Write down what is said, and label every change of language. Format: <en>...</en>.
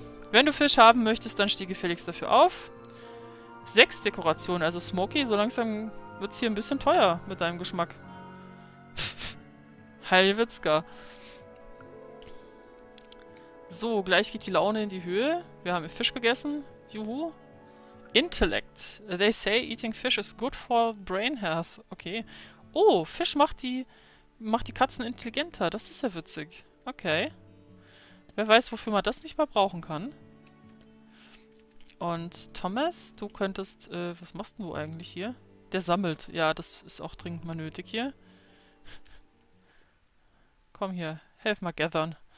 <de>Wenn du Fisch haben möchtest, dann steh gefälligst dafür auf. 6 Dekorationen, also Smokey, so langsam wird es hier ein bisschen teuer mit deinem Geschmack. Heilwitzka. So, gleich geht die Laune in die Höhe. Wir haben Fisch gegessen. Juhu. Intellect.</de> <en>They say eating fish is good for brain health. Okay.</en> <de>Oh, Fisch macht die Katzen intelligenter. Das ist ja witzig. Okay. Wer weiß, wofür man das nicht mal brauchen kann. Und Thomas, du könntest. Was machst denn du eigentlich hier? Der sammelt. Ja, das ist auch dringend mal nötig hier. Komm hier, helf mal gathern.</de>